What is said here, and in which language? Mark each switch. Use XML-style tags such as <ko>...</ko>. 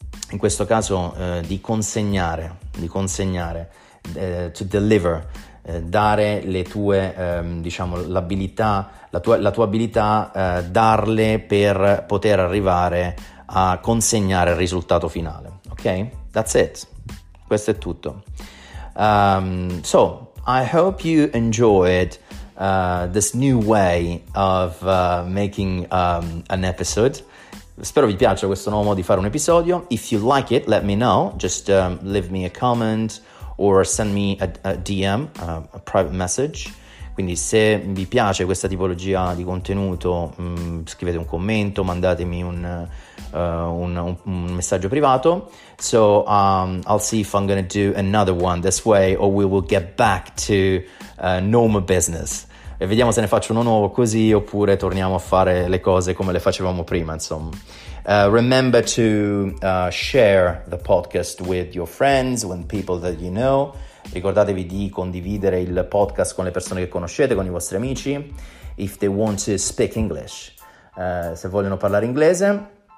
<it>In questo caso di consegnare,</it> <en>to deliver,</en> <it>dare le tue, diciamo, l'abilità, la tua abilità, darle per poter arrivare a consegnare il risultato finale.</it> <en>Ok? That's it.</en> <it>Questo è tutto.</it> <en>So, I hope you enjoyed this new way of making an episode.</en> <it>Spero vi piaccia questo nuovo modo di fare un episodio.</it> <en>If you like it, let me know. Just leave me a comment or send me a DM, a private message.</en> <it>Quindi se vi piace questa tipologia di contenuto, scrivete un commento, mandatemi un messaggio privato.</it> <en>So I'll see if I'm gonna do another one this way or we will get back to normal business.</en> <it>E vediamo se ne faccio uno nuovo così oppure torniamo a fare le cose come le facevamo prima, insomma.</it> <en>Remember to share the podcast with your friends, with people that you know.</en> <it>Ricordatevi di condividere il podcast con le persone che conoscete, con i vostri amici,</it> <en>if they want to speak English,</en> <it>se vogliono parlare inglese.</it>